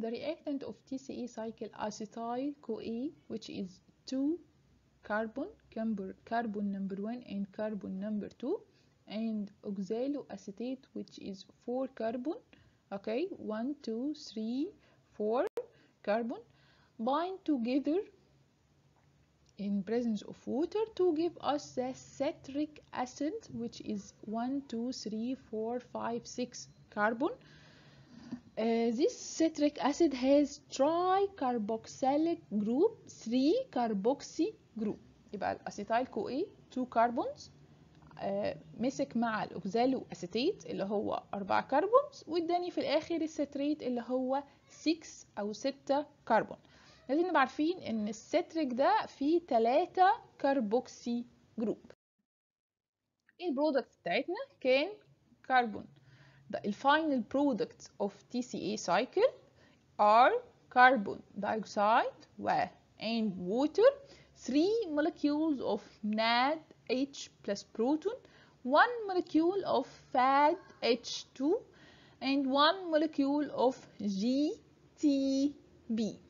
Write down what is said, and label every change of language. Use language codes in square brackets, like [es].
[en] The reactant of TCA cycle acetyl-CoA, which is 2 carbon, carbon number 1 and carbon number 2, and oxaloacetate, which is 4 carbon, okay, 1, 2, 3, 4 carbon, bind together in presence of water to give us the citric acid, which is 1, 2, 3, 4, 5, 6 carbon. This citric acid has tricarboxylic group, 3 carboxy group. [ar] يبقى الأسيتايل كو اي 2 كاربونز مسك مع الأوكزالو أسيتيت اللي هو 4 كاربونز واداني في الآخر الستريت اللي هو 6 أو 6 كاربون. لازم نبقى عارفين إن الستريك ده فيه 3 كاربوكسي جروب. إيه البرودكت بتاعتنا؟ كان كاربون. [en] The final products of TCA cycle are carbon dioxide and water. 3 molecules of NADH plus proton, 1 molecule of FADH2, and 1 molecule of GTP.